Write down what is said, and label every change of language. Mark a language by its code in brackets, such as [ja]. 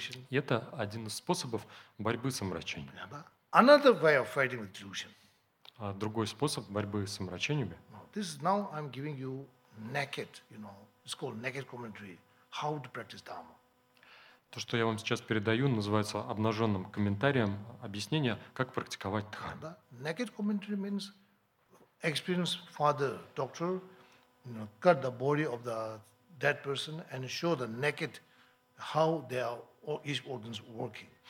[ru] И это один из способов борьбы с омрачением. А другой способ борьбы с омрачениями. [en] This is now I'm giving you naked, you know, it's called naked commentary. How to practice dharma. [ru] То, что я вам сейчас передаю, называется обнаженным комментарием, объяснение, как практиковать дхарму. [en] Naked commentary means experienced father, doctor, you know, cut the body of the that person and show the naked how each organs working.